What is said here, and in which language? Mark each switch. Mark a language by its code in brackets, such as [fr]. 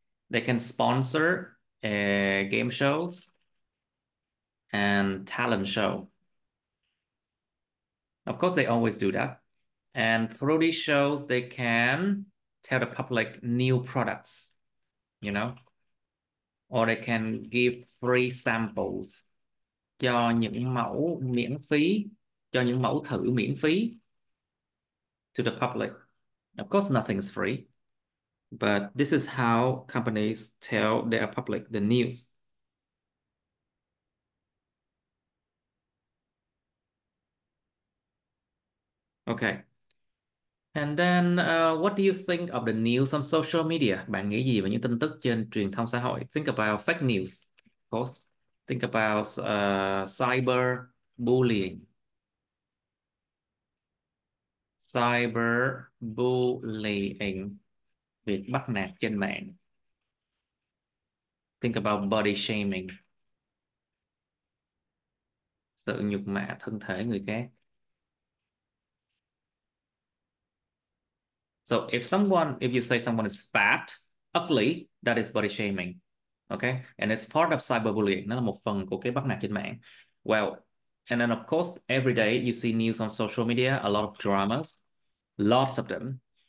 [en] They can sponsor game shows and talent show. Of course, they always do that. And through these shows, they can tell the public new products, you know? Or they can give free samples [vi] cho những mẫu miễn phí, cho những mẫu thử miễn phí [en] to the public. Of course, nothing is free. But this is how companies tell their public the news. Okay. And then what do you think of the news on social media? [vi] Bạn nghĩ gì về những tin tức trên truyền thông xã hội? [en] Think about fake news, of course. Think about cyber bullying. Cyber bullying. [vi] Việc bắt nạt trên mạng. [en] Think about body shaming. [vi] Sự nhục mạ thân thể người khác. [en] So if someone, if you say someone is fat, ugly, that is body shaming, okay? And it's part of cyberbullying. [vi] Nó là một phần của cái bắt nạt trên mạng. [en] Well, and then of course, every day you see news on social media, a lot of dramas, lots of them.